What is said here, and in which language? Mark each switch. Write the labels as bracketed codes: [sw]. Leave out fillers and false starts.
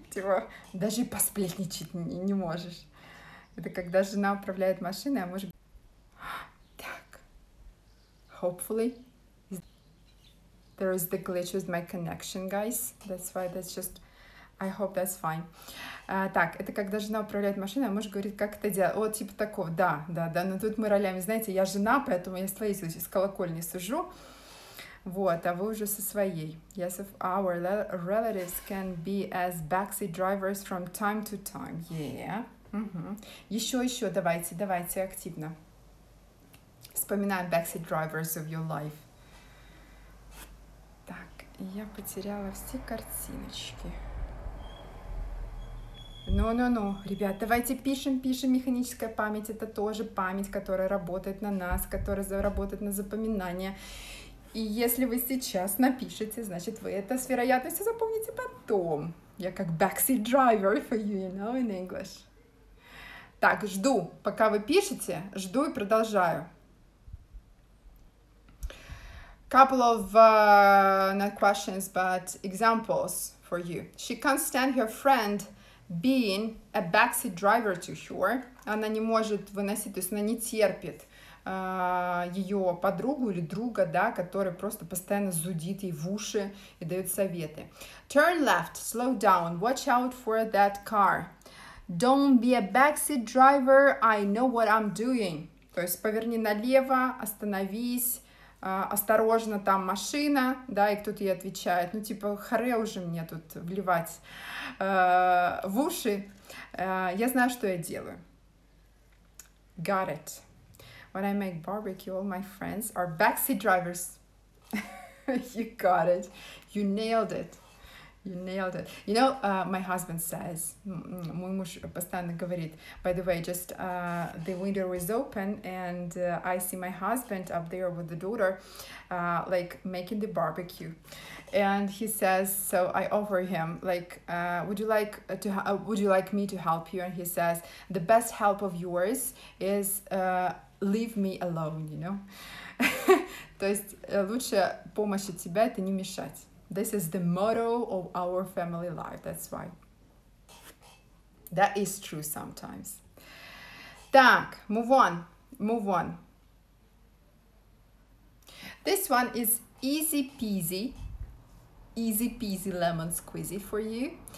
[ru] Типа, даже и посплетничать не можешь. Это когда жена управляет машиной, а муж... Так. [en] Hopefully. There is the glitch with my connection, guys. That's why that's just... I hope that's fine. [ru] Так, это когда жена управляет машиной, а муж говорит, как это делать? О, типа такого, да, да, да. Но тут мы ролями, знаете, я жена, поэтому я с твоей здесь с колокольни сижу. Вот, а вы уже со своей. [en] Yes, if our relatives can be as backseat drivers from time to time. Yeah. Mm-hmm. [ru] Еще, давайте, давайте активно. Вспоминаем [en] backseat drivers of your life. [ru] Так, я потеряла все картиночки. Ну-ну-ну, ребят, давайте пишем. Механическая память — это тоже память, которая работает на нас, которая работает на запоминание. И если вы сейчас напишете, значит, вы это с вероятностью запомните потом. Я как [en] backseat driver for you, you know, in English. [ru] Так, жду, пока вы пишете, жду и продолжаю. [en] Couple of, not questions, but examples for you. She can't stand her friend being a backseat driver to her. [ru] Она не может выносить, то есть она не терпит ее подругу или друга, да, который просто постоянно зудит ей в уши и дает советы. [en] Turn left, slow down, watch out for that car. Don't be a backseat driver, I know what I'm doing. [ru] То есть поверни налево, остановись, осторожно, там машина, да, и кто-то ей отвечает, ну, типа, харе уже мне тут вливать в уши. Я знаю, что я делаю. [en] Got it. When I make barbecue, all my friends are backseat drivers. You got it. You nailed it. You nailed it. You know, my husband says, [ru] мой муж постоянно говорит, [en] by the way, just the window is open and I see my husband up there with the daughter, like making the barbecue. And he says, so I offer him, like, would you like me to help you? And he says, the best help of yours is... leave me alone, you know? [ru] То есть лучшая помощь от тебя — это не мешать. [en] This is the motto of our family life, that's why. That is true sometimes. [ru] Так, [en] move on. This one is easy peasy lemon squeezy for you.